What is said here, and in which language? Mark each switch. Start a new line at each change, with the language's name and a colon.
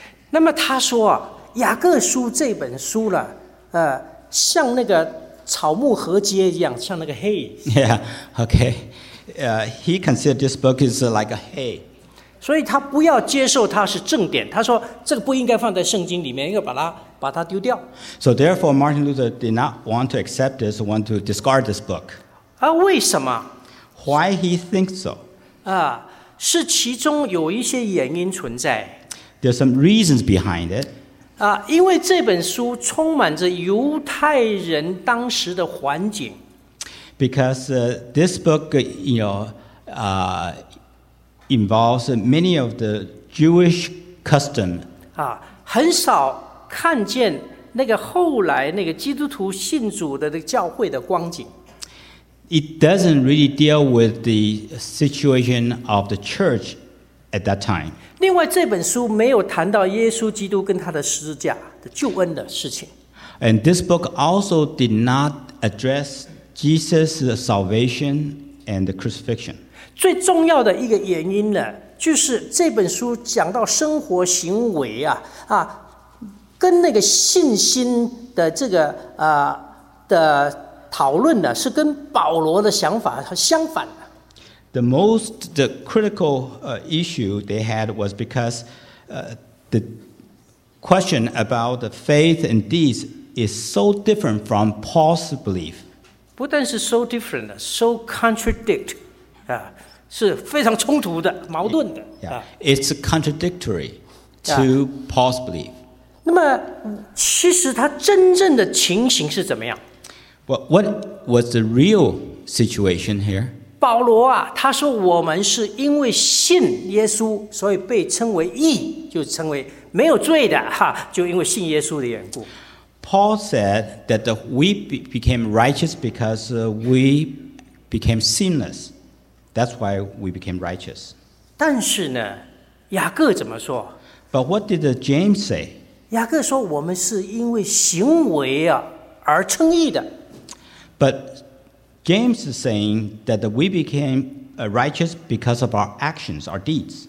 Chinese: 那么他说雅各书这本书了，像那个草木禾秸一样，像那个 hay.
English: Yeah. Okay. He considered this book is like a hay.
Chinese: 所以他不要接受它是正典，他说这个不应该放在圣经里面，应该把它丢掉。
English: So therefore, Martin Luther did not want to accept this, want to discard this book.
Chinese: 啊，为什么
English: ？Why he thinks so？
Chinese: 啊，是其中有一些原因存在。
English: There's some reasons behind it.
Chinese: 啊，因为这本书充满着犹太人当时的环境。
English: Because this book, you know, involves many of the Jewish custom.
Chinese: 啊，很少看见那个后来那个基督徒信主的那个教会的光景。
English: It doesn't really deal with the situation of the church at that time.
Chinese: 另外，这本书没有谈到耶稣基督跟他的十字架的救恩的事情。
English: And this book also did not address Jesus' salvation and the crucifixion.
Chinese: 最重要的一个原因呢，就是这本书讲到生活行为啊，啊，跟那个信心的这个的讨论呢，是跟保罗的想法相反的。
English: The critical issue they had was because the question about the faith and deeds is so different from Paul's belief.
Chinese: 不但是
English: so different, so contradict, 啊。
Chinese: 是非常冲突的，矛盾的。
English: Yeah. It's contradictory to Paul's belief.
Chinese: 那么，其实他真正的情形是怎么样？
English: What was the real situation here?
Chinese: 保罗啊，他说我们是因为信耶稣，所以被称为义，就称为没有罪的哈，就因为信耶稣的缘故。
English: Paul said that we became righteous because we became sinless. That's why we became righteous.
Chinese: 但是呢，雅各怎么说？
English: But what did James say?
Chinese: 雅各说我们是因为行为啊而称义的。
English: But James is saying that we became righteous because of our actions, our deeds.